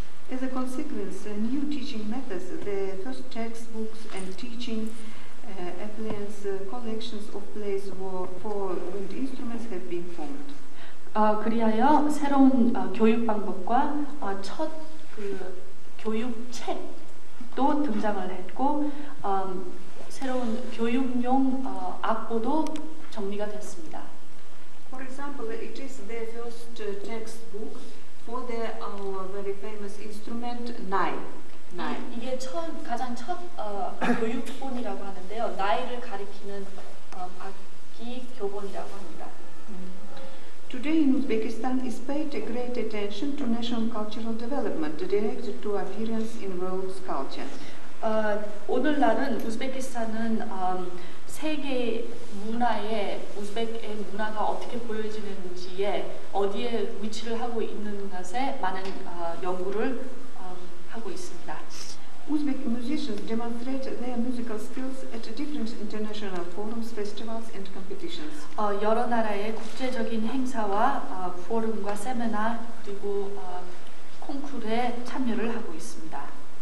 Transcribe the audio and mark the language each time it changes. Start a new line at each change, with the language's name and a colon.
English: As a consequence, new teaching methods, the first textbooks and teaching appliance collections of plays for wind instruments have been formed.
Korean: 그리하여 새로운 교육 방법과 첫 그 교육 책도 등장을 했고 새로운 교육용 악보도 정리가 됐습니다.
English: For example, it is the first textbook for the our very famous instrument nai.
Korean: 이게 처음 가장 첫 교육본이라고 하는데요. 나이를 가리키는 악기 교본이라고 합니다.
English: Today in Uzbekistan is paid a great attention to national cultural development directed to appearance in world culture.
Korean: 오늘날은 우즈베키스탄은 세계 문화에 우즈벡의 문화가 어떻게 보여지는지에 어디에 위치를 하고 있는 것에 많은 연구를 하고 있습니다.
English: Uzbek musicians demonstrate their musical skills at different international forums, festivals, and competitions.
Korean: 여러 나라의 국제적인 행사와 포럼과 세미나 그리고 콩쿠르에 참여를 하고 있습니다.